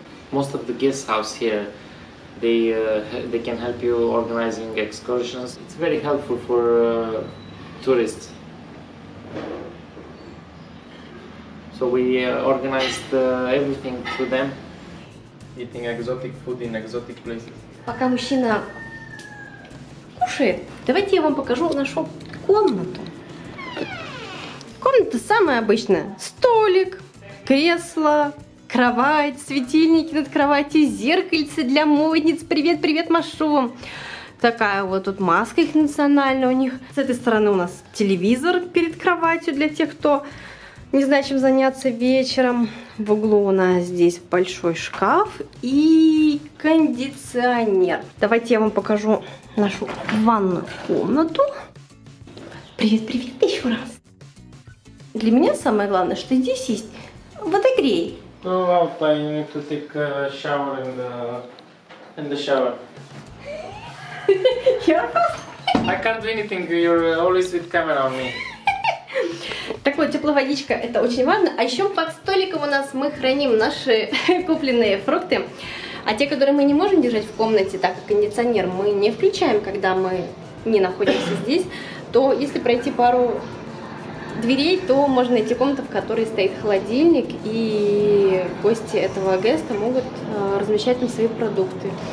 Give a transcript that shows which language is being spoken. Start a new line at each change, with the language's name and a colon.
English: Most of the guest house here, they can help you organizing excursions. It's very helpful for tourists. So we organized everything to them. Eating exotic food in exotic places.
Russian: Пока мужчина кушает, давайте я вам покажу нашу комнату. Комната самая обычная. Столик, кресло, кровать, светильники над кроватью, зеркальце для модниц. Привет, привет, Машу. Такая вот тут маска их национальная у них. С этой стороны у нас телевизор перед кроватью для тех, кто не знает, чем заняться вечером. В углу у нас здесь большой шкаф и кондиционер. Давайте я вам покажу нашу ванную комнату. Привет, привет еще раз. Для меня самое главное, что здесь есть водогрей.
English: Ну, Алта, you need to take a shower in the shower. Yeah? I can't do anything, you're always with camera on me.
Russian: Так вот, теплая водичка, это очень важно. А еще под столиком у нас мы храним наши купленные фрукты. А те, которые мы не можем держать в комнате, так как кондиционер мы не включаем, когда мы не находимся здесь, то если пройти пару дверей, то можно найти комнату, в которой стоит холодильник, и гости этого геста могут размещать там свои продукты.